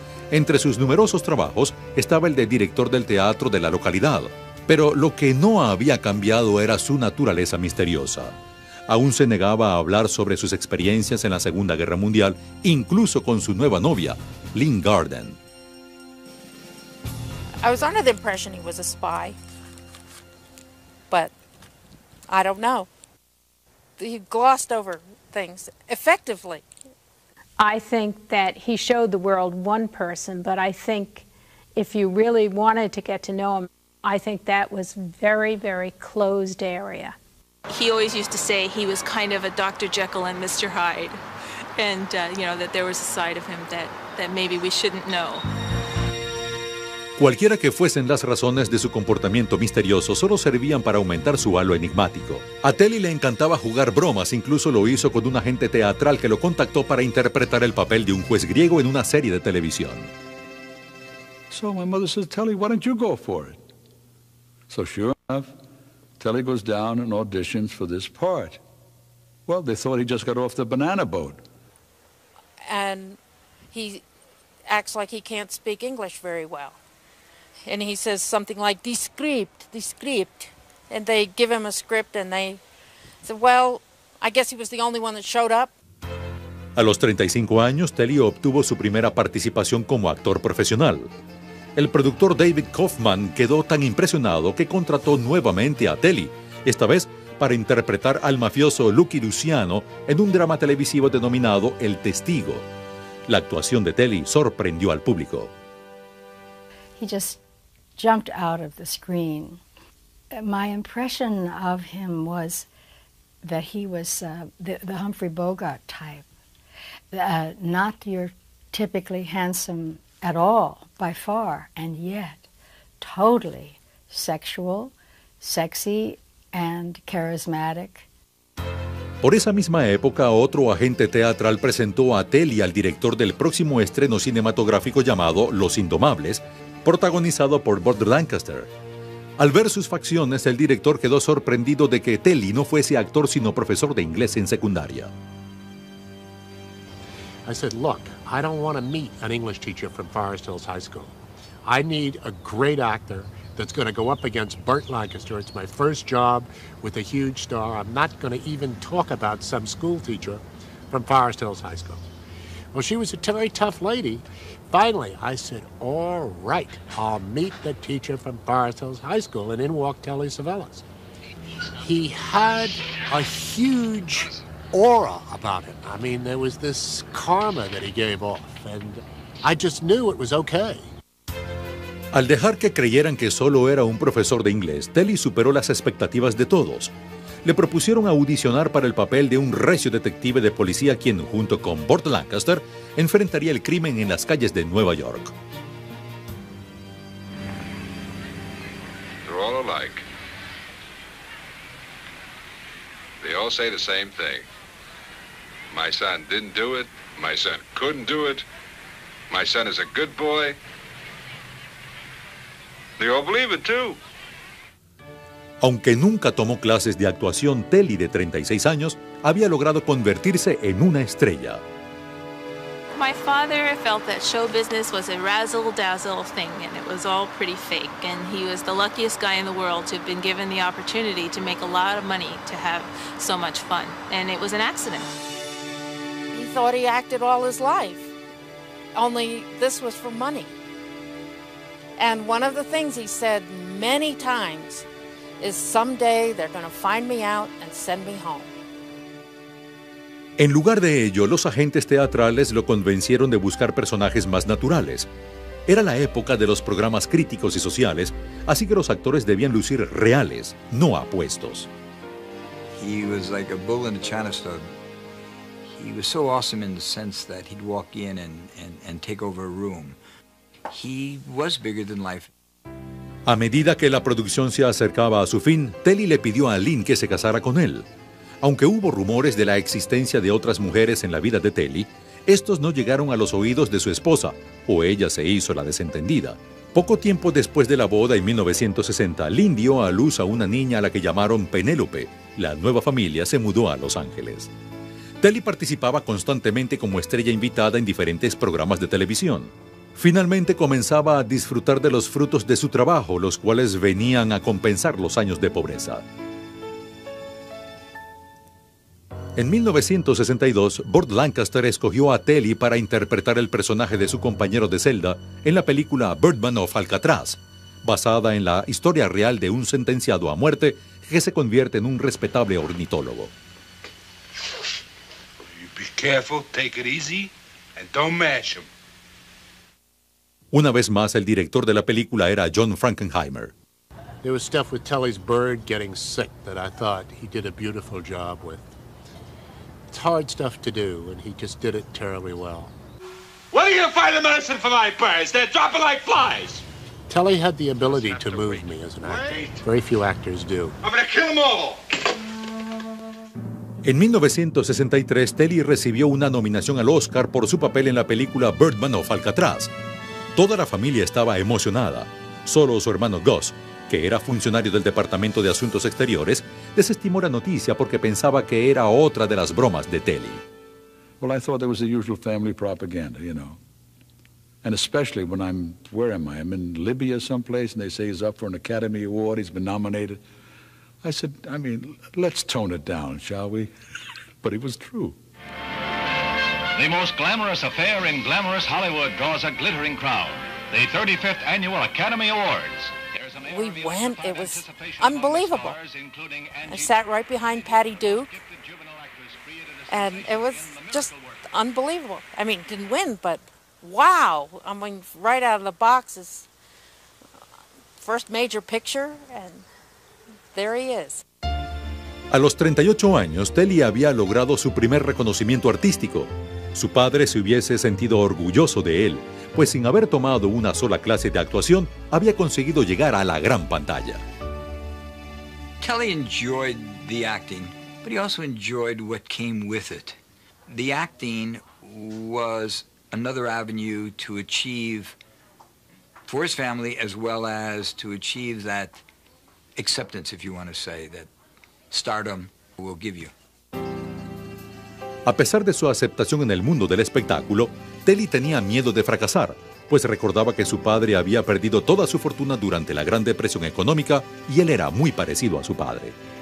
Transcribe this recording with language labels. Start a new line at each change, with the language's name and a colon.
Spanish: Entre sus numerosos trabajos estaba el de director del teatro de la localidad. Pero lo que no había cambiado era su naturaleza misteriosa. Aún se negaba a hablar sobre sus experiencias en la Segunda Guerra Mundial, incluso con su nueva novia, Lynn Garden.
English: I was under the impression he was a spy. But I don't know. He glossed over things effectively. I think that he showed the world one person, but I think if you really wanted to get to know him, I think that was very, very closed area. He always used to say he was kind of a Dr. Jekyll and Mr. Hyde, and you know, that there was a side of him that maybe we shouldn't know.
Spanish: Cualquiera que fuesen las razones de su comportamiento misterioso, solo servían para aumentar su halo enigmático. A Telly le encantaba jugar bromas, incluso lo hizo con un agente teatral que lo contactó para interpretar el papel de un juez griego en una serie de televisión.
English: So my mother says, Telly, why don't you go for it? So sure enough, Telly goes down and auditions for this part. Well, they thought he just got off the banana boat. And he acts like he can't speak English very well. And he says something like, "Descript, descript." And they give him a script and they said, well, I guess he was the only one that showed up.
Spanish: A los 35 años, Telly obtuvo su primera participación como actor profesional. El productor David Kaufman quedó tan impresionado que contrató nuevamente a Telly, esta vez para interpretar al mafioso Lucky Luciano en un drama televisivo denominado El Testigo. La actuación de Telly sorprendió al público.
English: He just jumped out of the screen. My impression of him was that he was the Humphrey Bogart type, not your typically handsome at all, by far, and yet totally sexual, sexy, and charismatic.
Spanish: Por esa misma época, otro agente teatral presentó a Telly al director del próximo estreno cinematográfico llamado Los Indomables, protagonizado por Burt Lancaster. Al ver sus facciones, el director quedó sorprendido de que Telly no fuese actor sino profesor de inglés en secundaria.
English: I said, look, I don't want to meet an English teacher from Forest Hills High School. I need a great actor that's going to go up against Burt Lancaster. It's my first job with a huge star. I'm not going to even talk about some school teacher from Forest Hills High School. Well, she was a very tough lady. Finally, I said, all right, I'll meet the teacher from Forest Hills High School, and in walked Telly Savalas. He had a huge aura about him. I mean, there was this karma that he gave off, and I just knew it was okay.
Spanish: Al dejar que creyeran que solo era un profesor de inglés, Telly superó las expectativas de todos. Le propusieron audicionar para el papel de un recio detective de policía quien, junto con Burt Lancaster, enfrentaría el crimen en las calles de Nueva York.
English: They're all alike. They all say the same thing. My son didn't do it. My son couldn't do it. My son is a good boy. They all believe it too.
Spanish: Aunque nunca tomó clases de actuación, Telly, de 36 años, había logrado convertirse en una estrella.
English: My father felt that show business was a razzle-dazzle thing, and it was all pretty fake. And he was the luckiest guy in the world to have been given the opportunity to make a lot of money, to have so much fun. And it was an accident. He thought he acted all his life, only this was for money. And one of the things he said many times is someday they're going to find me out and send me home.
Spanish: En lugar de ello, los agentes teatrales lo convencieron de buscar personajes más naturales. Era la época de los programas críticos y sociales, así que los actores debían lucir reales, no apuestos.
English: He was like a bull in a china store. He was so awesome in the sense that he'd walk in and take over a room. He was bigger than life.
Spanish: A medida que la producción se acercaba a su fin, Telly le pidió a Lynn que se casara con él. Aunque hubo rumores de la existencia de otras mujeres en la vida de Telly, estos no llegaron a los oídos de su esposa, o ella se hizo la desentendida. Poco tiempo después de la boda, en 1960, Lynn dio a luz a una niña a la que llamaron Penélope. La nueva familia se mudó a Los Ángeles. Telly participaba constantemente como estrella invitada en diferentes programas de televisión. Finalmente comenzaba a disfrutar de los frutos de su trabajo, los cuales venían a compensar los años de pobreza. En 1962, Burt Lancaster escogió a Telly para interpretar el personaje de su compañero de celda en la película Birdman of Alcatraz, basada en la historia real de un sentenciado a muerte que se convierte en un respetable ornitólogo.
English: Be careful, take it easy, and don't mash him.
Spanish: Una vez más, el director de la película era John Frankenheimer.
English: There was stuff with Telly's bird getting sick that I thought he did a beautiful job with. It's hard stuff to do, and he just did it terribly well. Where are you going to find the medicine for my birds? They're dropping like flies. Telly had the ability to move me as an actor. Very few actors do. I'm going to kill them all.
Spanish: En 1963, Telly recibió una nominación al Oscar por su papel en la película Birdman of Alcatraz. Toda la familia estaba emocionada. Solo su hermano Gus, que era funcionario del Departamento de Asuntos Exteriores, desestimó la noticia porque pensaba que era otra de las bromas de Telly.
English: Well, I thought there was the usual family propaganda, you know. And especially when I'm, where am I? I'm in Libya someplace, and they say he's up for an Academy Award, he's been nominated. I said, I mean, let's tone it down, shall we? But it was true. The most glamorous affair in glamorous Hollywood draws a glittering crowd. the 35th Annual Academy Awards. We went. It was unbelievable. I sat right behind Patty Duke, and it was just unbelievable. I mean, didn't win, but wow. I mean, right out of the box is first major picture, and there he is.
Spanish: A los 38 años, Telly había logrado su primer reconocimiento artístico. Su padre se hubiese sentido orgulloso de él, pues sin haber tomado una sola clase de actuación, había conseguido llegar a la gran pantalla.
English: Telly enjoyed the acting, but he also enjoyed what came with it. The acting was another avenue to achieve for his family, as well as to achieve that acceptance, if you want to say that. Stardom will give you.
Spanish: A pesar de su aceptación en el mundo del espectáculo, Telly tenía miedo de fracasar, pues recordaba que su padre había perdido toda su fortuna durante la Gran Depresión Económica y él era muy parecido a su padre.